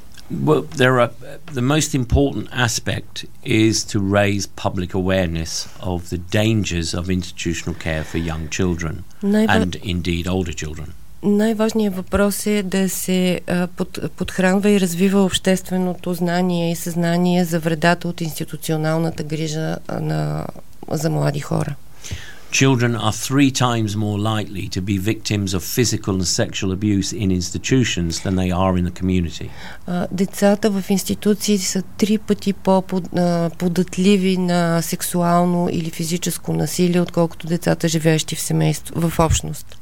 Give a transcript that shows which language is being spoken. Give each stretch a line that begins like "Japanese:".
English: Well, there are the most important aspect is to raise public awareness of the dangers of institutional care for young children and indeed older children.
Bulgarian: Най-важният въпрос е да се подхранва и развива общественото знание и съзнание за вредата от институционалната грижа за млади хора.
English: Children are three times more likely to be victims of physical and sexual abuse in institutions than they are in the community.
Bulgarian: Децата в институции са три пъти по-податливи на сексуално или физическо насилие, отколкото децата, живеещи в семейство, в общност.